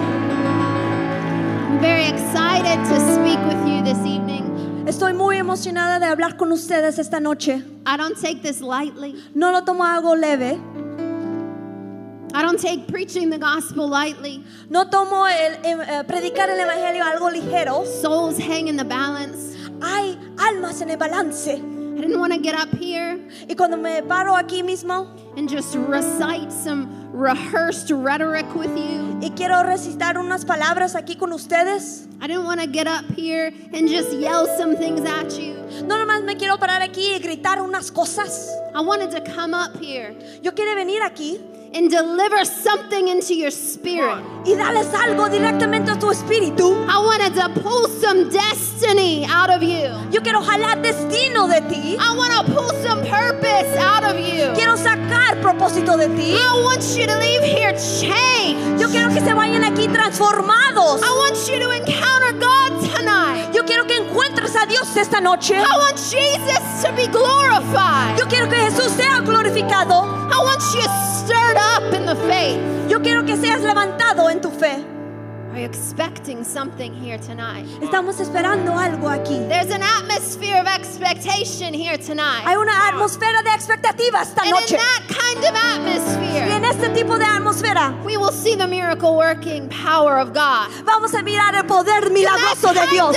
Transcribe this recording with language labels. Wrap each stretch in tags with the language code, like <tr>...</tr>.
<en>I'm very excited to speak with you this evening.</en> <es>Estoy muy emocionada de hablar con ustedes esta noche.</es> <en>I don't take this lightly.</en> <es>No lo tomo algo leve.</es> <en>I don't take preaching the gospel lightly.</en> <es>No tomo predicar el evangelio algo ligero.</es> <en>Souls hang in the balance.</en> <es>Hay almas en el balance.</es> <en>I didn't want to get up here.</en> <es>Y cuando me paro aquí mismo.</es> <en>And just recite some rehearsed rhetoric with you.</en> <es>Y quiero recitar unas palabras aquí con ustedes.</es> <en>I didn't want to get up here and just yell some things at you.</en> <es>No nomás me quiero parar aquí y gritar unas cosas.</es> <en>I wanted to come up here.</en> <es>Yo quiero venir aquí.</es> <en>And deliver something into your spirit.</en> <es>Y darles algo directamente a tu espíritu.</es> <en>I wanted to pull some destiny out of you.</en> <es>Yo quiero jalar destino de ti.</es> <en>I want to pull some purpose out of you.</en> <es>Quiero sacar propósito de ti.</es> <en>I want you to leave here changed.</en> <es>Yo quiero que se vayan aquí transformados.</es> <en>I want you to encounter God tonight.</en> <es>Yo quiero que encuentres a Dios esta noche.</es> <en>I want Jesus to be glorified.</en> <es>Yo quiero que Jesús sea glorificado.</es> <en>I want you stirred up in the faith.</en> <es>Yo quiero que seas levantado en tu fe.</es> <en>Are you expecting something here tonight?</en> <es>Estamos esperando algo aquí.</es> <en>There's an atmosphere of expectation here tonight.</en> <es>Hay una atmósfera de expectativa esta noche.</es> <en>And in that kind of atmosphere,</en> <es>y en este tipo de atmósfera,</es> <en>we will see the miracle working power of God.</en> <es>Vamos a mirar el poder milagroso de Dios.</es>